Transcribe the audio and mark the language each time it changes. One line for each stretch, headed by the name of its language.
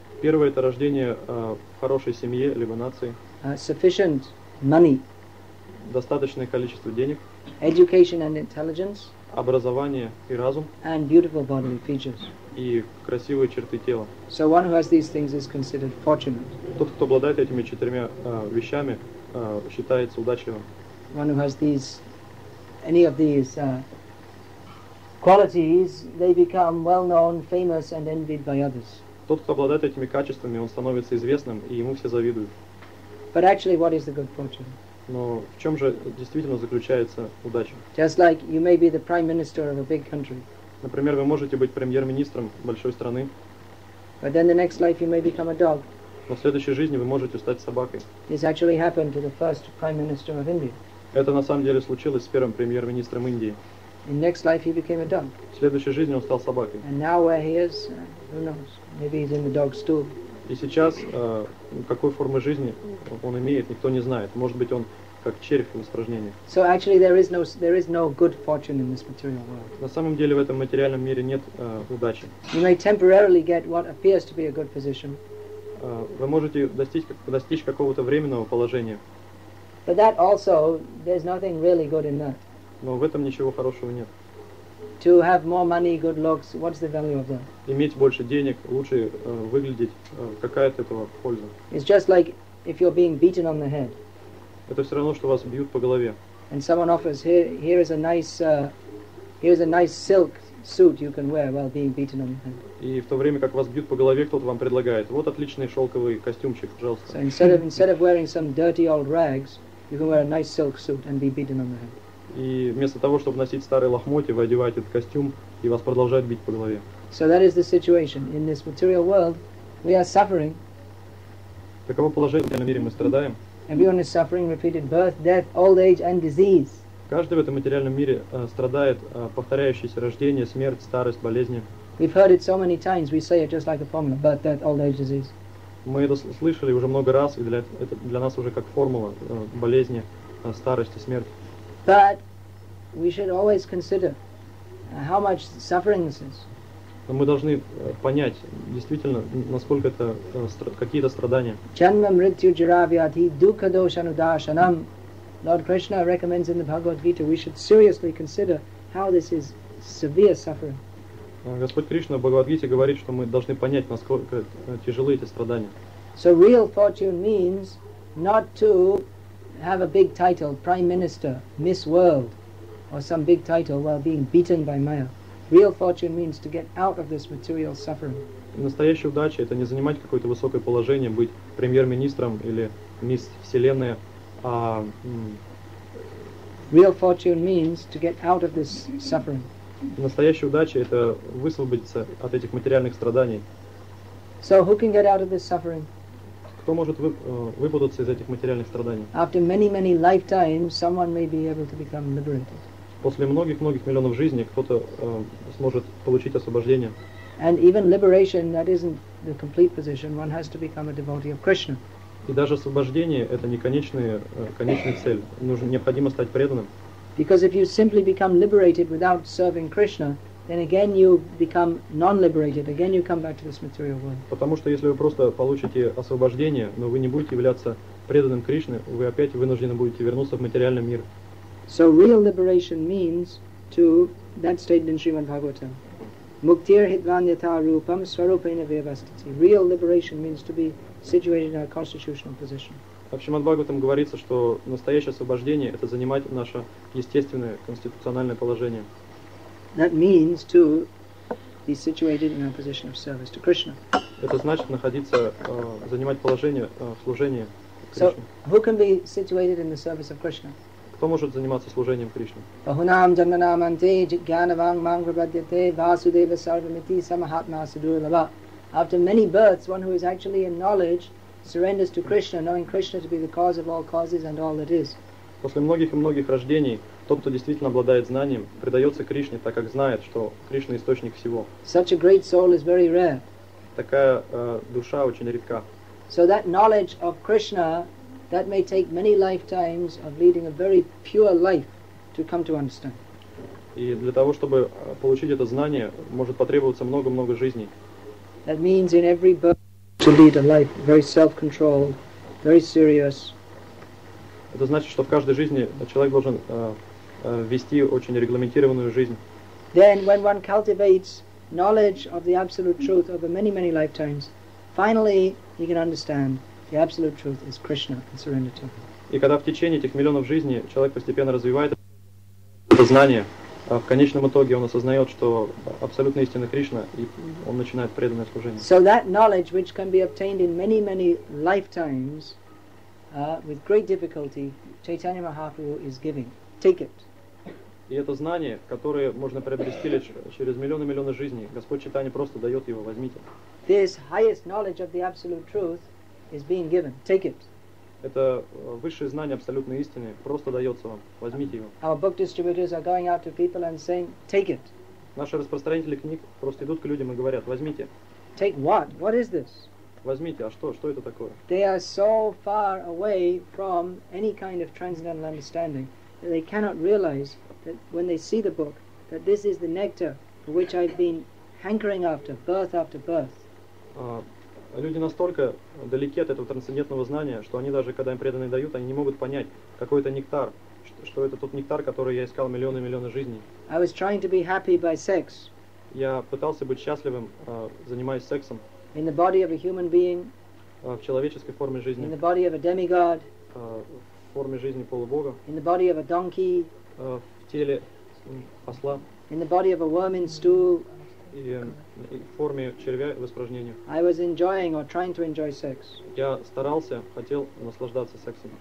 Russian: Первое – это рождение в хорошей семье либо нации.
English: Sufficient money.
Russian: Достаточное количество денег.
English: Education and intelligence.
Russian: Образование и разум.
English: And beautiful bodily features.
Russian: И красивые черты тела.
English: So one who has these things is considered fortunate.
Russian: Тот, кто обладает этими четырьмя вещами, считается удачливым.
English: One who has these, any of these qualities, they become well known, famous and envied by others.
Russian: Тот, кто обладает этими качествами, он становится известным, и ему все завидуют.
English: But actually, what is the good fortune?
Russian: Но в чем же действительно заключается удача?
English: Just like you may be the prime minister of a big country.
Russian: Например, вы можете быть премьер-министром большой страны.
English: But then the next life you may become a dog.
Russian: Но в следующей жизни вы можете стать собакой.
English: This actually happened to the first prime minister of India.
Russian: Это на самом деле случилось с первым премьер-министром Индии.
English: In next life he became a dog.
Russian: В следующей жизни он стал собакой.
English: And now where he is, who knows? Maybe he's in the dog stool.
Russian: И сейчас какой формы жизни он имеет, никто не знает. Может быть, он как червь в испражнении.
English: So actually there is no good fortune in this material world.
Russian: На самом деле в этом материальном мире нет удачи.
English: You may temporarily get what appears to be a good position.
Russian: Вы можете достичь какого-то временного положения.
English: But that also there's nothing really good in that.
Russian: Но в этом ничего хорошего нет.
English: To have more money, good looks, what's the value of that?
Russian: Иметь больше денег, лучше выглядеть, какая от этого польза?
English: It's just like if you're being beaten on the head.
Russian: Это все равно, что вас бьют по голове.
English: And someone offers, here is a nice silk suit you can wear while being beaten on the head.
Russian: И в то время, как вас бьют по голове, кто-то вам предлагает, вот отличный шелковый костюмчик, пожалуйста.
English: So instead of wearing some dirty old rags, you can wear a nice silk suit and be beaten on the head.
Russian: И вместо того, чтобы носить старые лохмотья, вы одеваете этот костюм, и вас продолжают бить по голове.
English: So that is the situation. In this material world, we are suffering.
Russian: Таково положение в материальном мире, мы страдаем.
English: Everyone is suffering repeated birth, death, old age and disease.
Russian: Каждый в этом материальном мире страдает повторяющееся рождение, смерть, старость, болезни.
English: We've heard it so many times, we say it just like a formula, birth, death, old age, disease.
Russian: Мы это слышали уже много раз, и для нас уже как формула болезни, старости, смерти.
English: But we should always consider how much suffering this is.
Russian: Мы должны понять, действительно, насколько это какие-то страдания.
Sanskrit: Janma mrityu jara vyadhi dukha dosha anudashanam.
English: Lord Krishna recommends in the Bhagavad Gita we should seriously consider how this is severe suffering.
Russian: Господь Кришна в Бхагавад-гите говорит, что мы должны понять, насколько тяжелы эти страдания.
English: So real fortune means not to have a big title, Prime Minister, Miss World, or some big title while being beaten by Maya. Real fortune means to get out of this material suffering.
Russian: Настоящая удача – это не занимать какое-то высокое положение, быть премьер-министром или мисс Вселенная, а
English: Real fortune means to get out of this suffering.
Russian: Настоящая удача – это высвободиться от этих материальных страданий.
English: So who can get out of this suffering?
Russian: Кто может выпутаться из этих материальных страданий?
English: After many, many lifetimes, someone may be able to become liberated.
Russian: После многих-многих миллионов жизней кто-то сможет получить освобождение.
English: And even liberation, that isn't the complete position. One has to become a devotee of Krishna.
Russian: И даже освобождение – это не конечная цель. Необходимо стать преданным.
English: Because if you simply become liberated without serving Krishna, then again you become non-liberated. Again you come back to this material world.
Russian: Потому что если вы просто получите освобождение, но вы не будете являться преданным Кришне, вы опять вынуждены будете вернуться в материальный мир.
English: So real liberation means to that state in Srimad Bhagavatam.
Sanskrit: Muktir hitvanyata rupam swarupena vyavastiti.
English: Real liberation means to be situated in our constitutional position.
Russian: В Шримад Бхагаватам говорится, что настоящее освобождение – это занимать наше естественное конституциональное положение.
English: That means to be situated in our position of service to Krishna.
Russian: Это значит находиться, занимать положение в служении Кришне.
English: So, who can be situated in the service of Krishna?
Russian: Кто может заниматься служением Кришне?
Sanskrit: Bahunam jananam ante jnanavang mangrabhadyate vasudeva sarvamiti samahatma sudurlava.
English: After many births, one who is actually in knowledge surrenders to Krishna, knowing Krishna to be the cause of all causes and all that is.
Russian: После многих и многих рождений, тот, кто действительно обладает знанием, предается Кришне, так как знает, что Кришна – источник всего.
English: Such a great soul is very rare.
Russian: Такая душа очень редка.
English: So that knowledge of Krishna, that may take many lifetimes of leading a very pure life to come to understand.
Russian: И для того, чтобы получить это знание, может потребоваться много-много жизней.
English: That means in every birth, to lead a life very self-controlled, very serious.
Russian: Это значит, что в каждой жизни человек должен вести очень регламентированную жизнь.
English: Then, when one cultivates knowledge of the absolute truth over many, many lifetimes, finally he can understand the absolute truth is Krishna and surrender to him.
Russian: И когда в течение этих миллионов жизней человек постепенно развивает это знание, в конечном итоге он осознает, что абсолютная истина Кришна, и он начинает преданное служение.
English: So that knowledge, which can be obtained in many, many lifetimes, with great difficulty, Chaitanya Mahaprabhu is giving. Take it.
Russian: И это знание, которое можно приобрести лишь через миллионы и миллионы жизней, Господь Чайтанья просто дает его, возьмите.
English: This highest knowledge of the absolute truth is being given. Take it.
Russian: Это высшее знание абсолютной истины просто дается вам. Возьмите его.
English: Our book distributors are going out to people and saying, take it.
Russian: Наши распространители книг просто идут к людям и говорят, возьмите.
English: Take what? What is this?
Russian: Возьмите, а что? Что это такое?
English: They are so far away from any kind of transcendental understanding that they cannot realize that when they see the book, that this is the nectar for which I've been hankering after, birth after birth.
Russian: Люди настолько далеки от этого трансцендентного знания, что они даже, когда им преданные дают, они не могут понять, какой это нектар, что это тот нектар, который я искал миллионы и миллионы жизней.
English: I was trying to be happy by sex.
Russian: Я пытался быть счастливым, занимаясь сексом.
English: In the body of a human being.
Russian: В человеческой форме жизни.
English: In the body of a demigod.
Russian: В форме жизни полубога.
English: In the body of a donkey.
Russian: В теле осла.
English: In the body of a worm in stool.
Russian: И в форме червя в испражнении.
English: I was enjoying or trying to enjoy sex.
Russian: Я старался, хотел наслаждаться сексом.